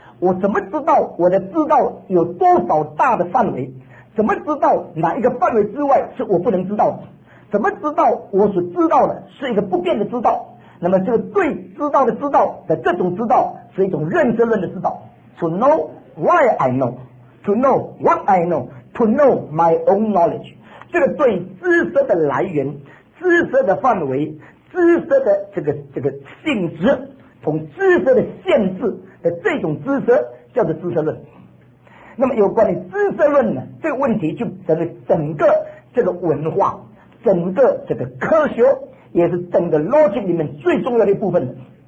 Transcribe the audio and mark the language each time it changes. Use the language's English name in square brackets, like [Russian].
[Chinese] 我怎么知道我的知道有多少大的范围？怎么知道哪一个范围之外是我不能知道的？怎么知道我所知道的是一个不变的知道？那么这个对知道的知道的这种知道是一种认知论的知道。 [English] To know why I know, To know what I know, To know my own knowledge。 [Chinese] 这个对知识的来源、知识的范围、知识的这个性质、从知识的限制的这种知识叫做知识论。那么有关于知识论呢，这个问题就成了整个这个文化、整个这个科学，也是整个逻辑里面最重要的一部分。